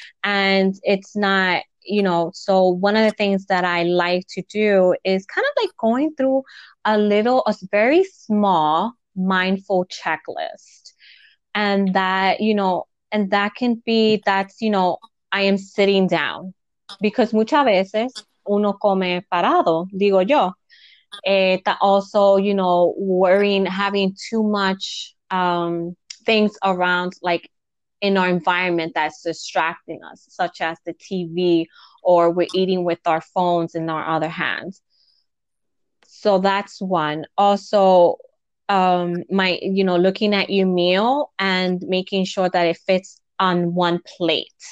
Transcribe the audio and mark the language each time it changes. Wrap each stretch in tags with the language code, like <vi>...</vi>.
<en>And it's not, you know, so one of the things that I like to do is kind of like going through a very small mindful checklist. And that, you know, and that can be, that's, you know, I am sitting down. Because</en> <es>muchas veces uno come parado, digo yo.</es> <en>Also, you know, worrying, having too much things around, like, in our environment that's distracting us, such as the TV, or we're eating with our phones in our other hands. So that's one. Also, looking at your meal and making sure that it fits on one plate.</en>